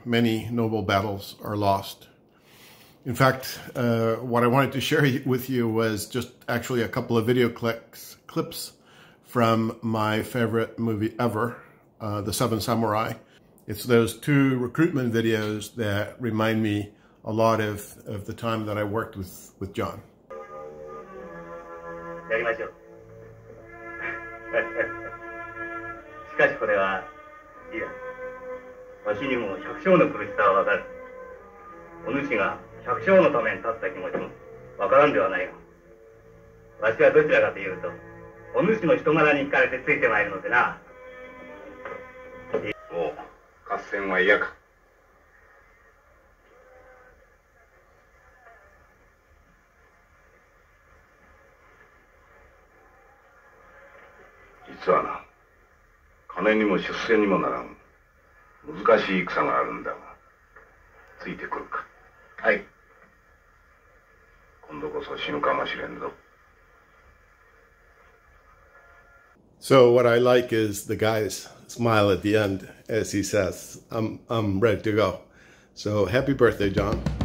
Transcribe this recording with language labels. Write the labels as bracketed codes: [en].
[en] Many noble battles are lost. In fact, what I wanted to share with you was just actually a couple of video clips from my favorite movie ever, The Seven Samurai. It's those two recruitment videos that remind me a lot of the time that I worked with John. [ja] しかしこれはいや、わしにも百姓の苦しさはわかる。お主が百姓のために立った気持ちもわからんではないが、わしはどちらかというとお主の人柄に惹かれてついてまいるのでな。もう合戦は嫌か。実はな、金にも出世にもならん難しい戦があるんだが、ついてくるか。はい。今度こそ死ぬかもしれんぞ。 [en] So what I like is the guy's smile at the end as he says, I'm ready to go. So happy birthday, John.